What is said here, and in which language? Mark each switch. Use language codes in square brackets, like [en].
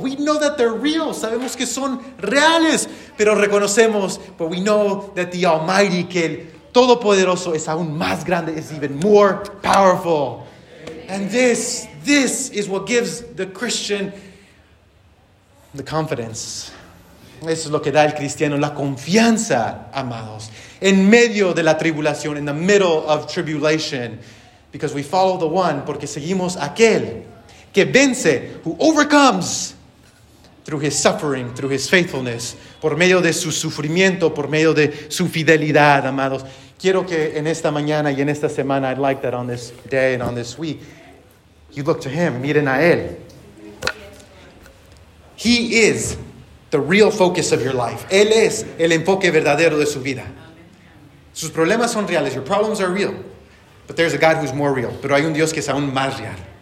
[en] We know that they're real. [es] Sabemos que son reales, pero reconocemos, [en] but we know that the Almighty, [es] que el Todopoderoso, es aún más grande, [en] is even more powerful. And this is what gives the Christian the confidence. [es] Eso es lo que da al cristiano la confianza, amados. En medio de la tribulación, [en] in the middle of tribulation, because we follow the one, [es] porque seguimos aquel que vence, [en] who overcomes through his suffering, through his faithfulness, [es] por medio de su sufrimiento, por medio de su fidelidad, amados. Quiero que en esta mañana y en esta semana, [en] I'd like that on this day and on this week, you look to him, [es] miren a él. [en] He is the real focus of your life. [es] Él es el enfoque verdadero de su vida. Sus problemas son reales. [en] Your problems are real. But there's a God who's more real. [es] Pero hay un Dios que es aún más real.